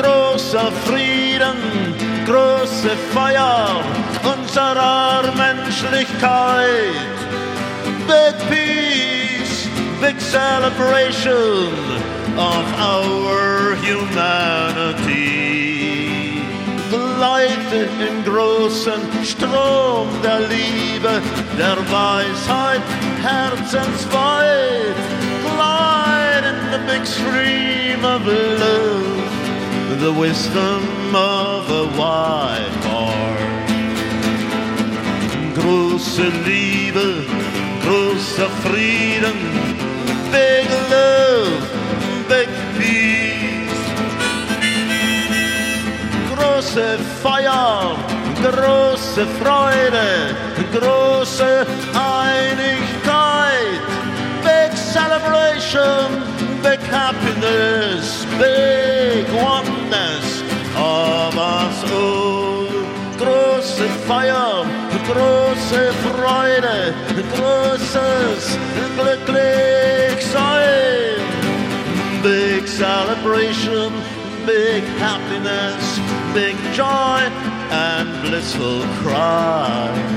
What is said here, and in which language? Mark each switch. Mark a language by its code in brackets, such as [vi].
[de] Großer Frieden, große Feier unserer Menschlichkeit. [en] Big peace, big celebration of our humanity. [de] Gleite im großen Strom der Liebe, der Weisheit, Herzensweit. [en] Glide in the big stream of love, the wisdom of a wide heart. [de] Große Liebe, großer Frieden, [en] big love, big peace. [de] Große Feier, große Freude, große Einigkeit. [en] Big celebration, big happiness, big oneness of us all. [de] Große Feier, große Freude, großes Glück sein. [en] Big celebration, big happiness, big joy and blissful cry.